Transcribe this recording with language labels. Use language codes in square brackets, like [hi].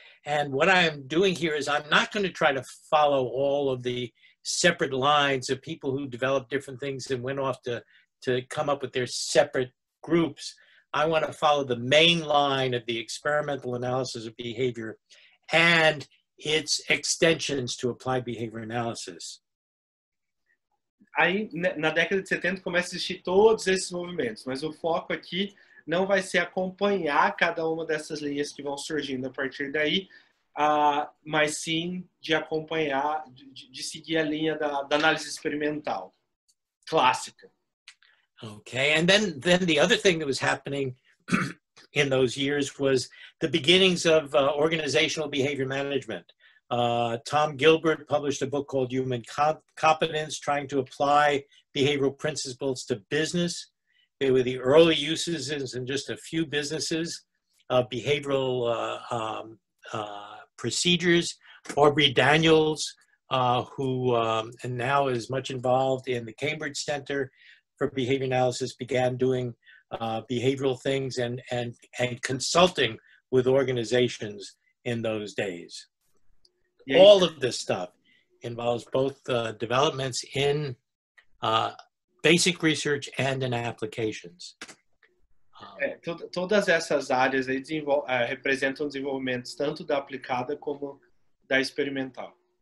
[en] And what I'm doing here is I'm not going to try to follow all of the separate lines of people who developed different things and went off to come up with their separate groups. I want to follow the main line of the experimental analysis of behavior and its extensions to applied behavior analysis. [pt] Aí, na década de 70, começa a existir todos esses movimentos, mas o foco aqui não vai ser acompanhar cada uma dessas linhas que vão surgindo a partir daí, mas sim de acompanhar, de seguir a linha da análise experimental clássica. [en] Okay, and then the other thing that was happening in those years was the beginnings of organizational behavior management. Tom Gilbert published a book called Human Competence, trying to apply behavioral principles to business. They were the early uses in just a few businesses of behavioral procedures. Aubrey Daniels, and now is much involved in the Cambridge Center for Behavior Analysis, began doing behavioral things and consulting with organizations in those days. Yeah. All of this stuff involves both developments in basic research and in applications. [pt] Todas essas áreas aí representam desenvolvimentos tanto da aplicada como da experimental.